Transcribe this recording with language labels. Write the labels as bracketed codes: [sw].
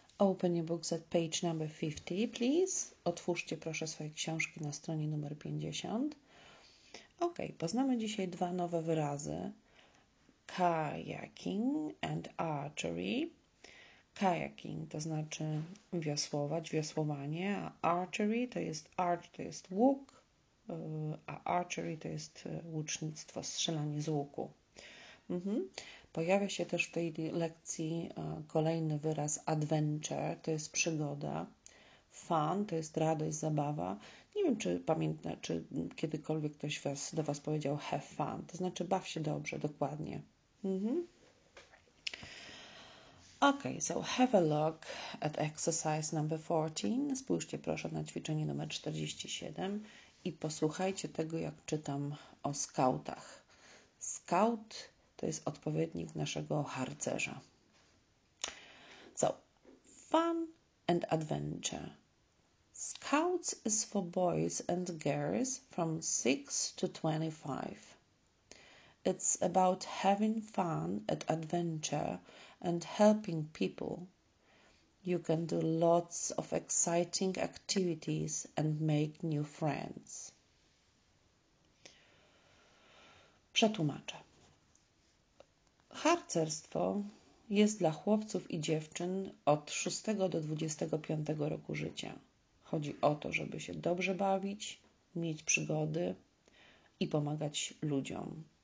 [en] Open your books at page number 50, please. [pl] Otwórzcie proszę swoje książki na stronie numer 50. Ok, poznamy dzisiaj dwa nowe wyrazy. [en] Kayaking and archery. [pl] Kayaking to znaczy wiosłować, wiosłowanie, a archery to jest arch, to jest łuk, a archery to jest łucznictwo, strzelanie z łuku. Pojawia się też w tej lekcji kolejny wyraz adventure, to jest przygoda, fun, to jest radość, zabawa. Nie wiem, czy pamiętna, czy kiedykolwiek ktoś do Was powiedział [en] have fun, [pl] to znaczy baw się dobrze, dokładnie. [en] Ok, so have a look at exercise number 14. [pl] Spójrzcie proszę na ćwiczenie numer 47 i posłuchajcie tego, jak czytam o skautach. Scout to jest odpowiednik naszego harcerza. [en] So, fun and adventure. Scouts is for boys and girls from 6 to 25. It's about having fun at adventure and helping people. You can do lots of exciting activities and make new friends. [pl] Przetłumaczę. Harcerstwo jest dla chłopców i dziewczyn od 6 do 25 roku życia. Chodzi o to, żeby się dobrze bawić, mieć przygody i pomagać ludziom.